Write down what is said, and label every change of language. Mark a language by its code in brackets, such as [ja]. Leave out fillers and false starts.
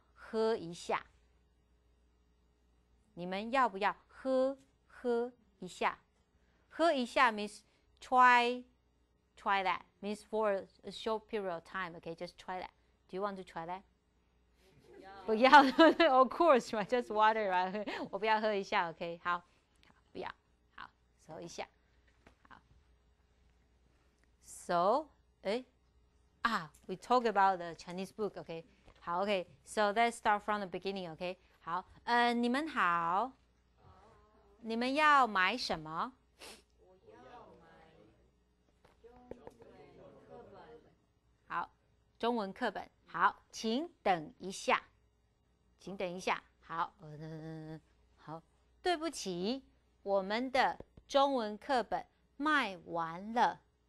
[zh] 喝一下, 你们要不要喝一下? [en] 喝一下 means try that, means for a short period of time, okay, just try that. Do you want to try that? [zh] 不要, [en] of course, right? Just water, right? [zh] 我不要喝一下, [en] okay, [zh] 好, 好, 不要, 好, 喝一下, 好. [en] So, 诶, 啊, we talk about the Chinese book, okay? [zh] 好, [en] okay, so let's start from the beginning, okay? [zh] 好, 你们好, 你们要买什么? 我要买中文课本。好, 中文课本, 好, 请等一下, 请等一下, 好, 好, 对不起, 我们的中文课本卖完了。